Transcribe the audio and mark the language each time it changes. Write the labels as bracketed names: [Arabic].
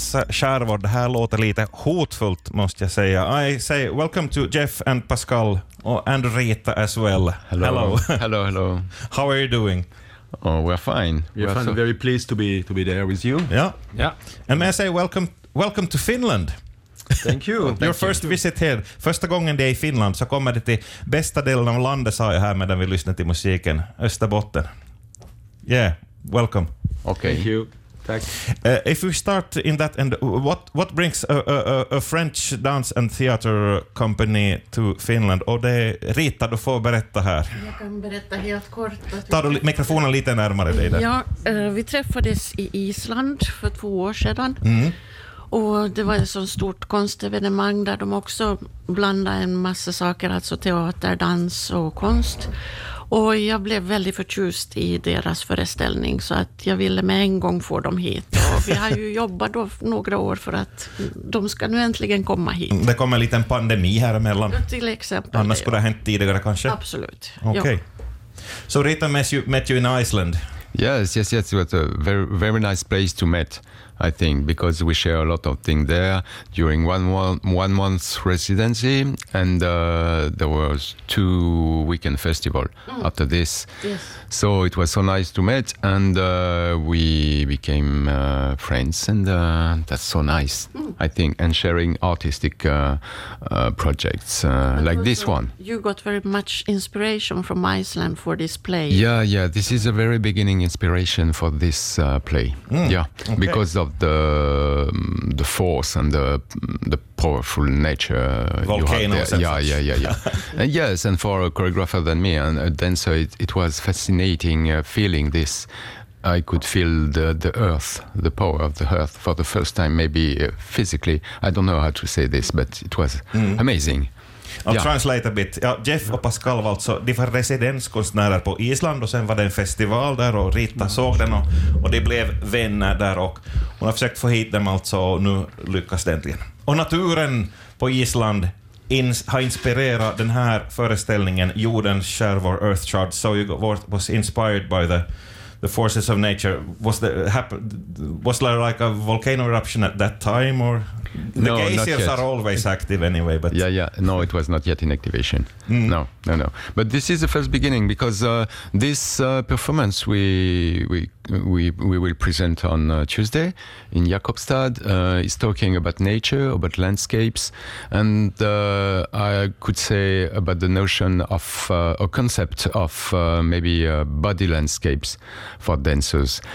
[Swedish] Kärvor, det här låter lite hotfullt måste jag säga. [English] I say welcome to Jeff and Pascal and Rita as well. Hello. How are you doing? Oh, we're fine. We're fine. So very pleased to be there with you. Yeah. And may I say welcome to Finland. Thank you. Your first visit here. [Swedish] Första gången det är i Finland så kommer det till bästa delen av landet, sa jag här medan vi lyssnade till musiken. [English] Österbotten. Yeah, welcome. Okay. Thank you. If we start in that end, what brings a French dance and theater company to Finland? [Swedish] Och det är Rita, du får berätta här. Jag kan berätta helt kort. Ta du mikrofonen lite närmare dig där. Ja, vi träffades i Island för 2 år sedan. Mm. Och det var ett sånt stort konstevenemang där de också blandade en massa saker, alltså teater, dans och konst. Och jag blev väldigt förtjust i deras föreställning, så att jag ville med en gång få dem hit. Och vi har ju jobbat då några år för att de ska nu äntligen komma hit. Det kom en liten pandemi här emellan. Till exempel. Annars skulle det ha hänt tidigare kanske. Absolut. [English] Okej. Okay. Ja. Så Rita met you in Iceland. Yes. It was a very, very nice place to meet, I think, because we share a lot of things there during one month's residency, and there was 2 weekend festival after this. Yes. So it was so nice to meet, and we became friends, and that's so nice, I think, and sharing artistic projects like this one. You got very much inspiration from Iceland for this play. Yeah, this is a very beginning inspiration for this play. Mm. Yeah, okay. Because of the force and the powerful nature volcano you have there. Senses. Yeah. And yes, and for a choreographer than me and a dancer, it was fascinating feeling this. I could feel the earth, the power of the earth for the first time, maybe physically. I don't know how to say this, but it was amazing. I'll translate a bit. [Swedish] Ja, Jeff och Pascal var alltså, de var residenskonstnärer på Island och sen var det en festival där och Rita såg den och de blev vänner där och hon har försökt få hit dem alltså och nu lyckas det äntligen. Och naturen på Island har inspirerat den här föreställningen Jordens kärvor, Earth Charge. [English] So you got, was inspired by the the forces of nature. Was there like a volcano eruption at that time, or no, the glaciers are always active anyway? But yeah, no, it was not yet in activation. Mm. No. But this is the first beginning, because this performance we will present on Tuesday in Jakobstad is talking about nature, about landscapes, and I could say about the notion of a concept of maybe body landscapes for dancers.